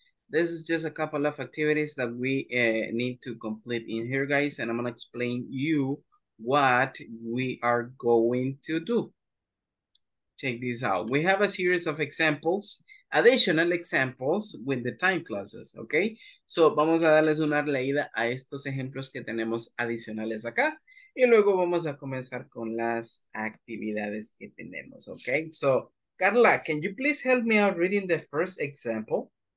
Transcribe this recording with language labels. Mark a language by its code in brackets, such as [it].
[en] This is just a couple of activities that we need to complete in here, guys. And I'm going to explain you what we are going to do. Check this out. We have a series of examples, additional examples with the time clauses, okay? [es] So vamos a darles una leída a estos ejemplos que tenemos adicionales acá. Y luego vamos a comenzar con las actividades que tenemos, okay? [en] So Carla, can you please help me out reading the first example?